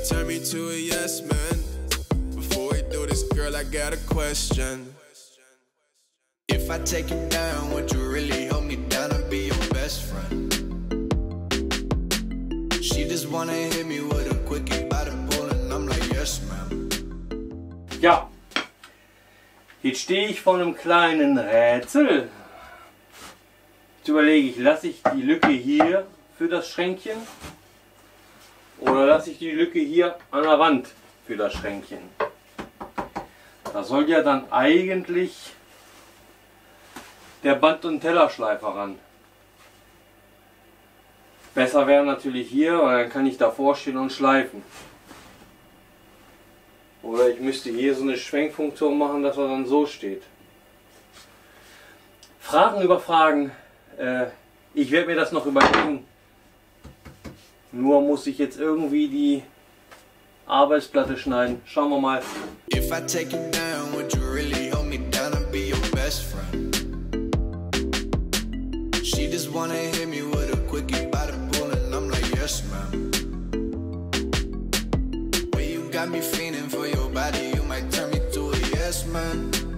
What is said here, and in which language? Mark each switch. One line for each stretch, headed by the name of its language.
English: Turn me to a yes man. Before we do this, girl, I got a question. If I take you down, would you really hold me down and be your best friend? She just wanna hit me with a quickie by the pool and I'm like, yes man.
German: Ja, jetzt stehe ich vor einem kleinen Rätsel. Jetzt überlege ich, lasse ich die Lücke hier für das Schränkchen oder lasse ich die Lücke hier an der Wand für das Schränkchen? Da soll ja dann eigentlich der Band- und Tellerschleifer ran. Besser wäre natürlich hier, weil dann kann ich davor stehen und schleifen. Oder ich müsste hier so eine Schwenkfunktion machen, dass er dann so steht. Fragen über Fragen. Ich werde mir das noch überlegen. Nur muss ich jetzt irgendwie die Arbeitsplatte schneiden. Schauen wir mal.
English: If I take you down, would you really hold me down and be your best friend? She just wanna hit me with a quickie by the pool and I'm like, yes, man. When you got me feeling for your body, you might turn me to a yes, man.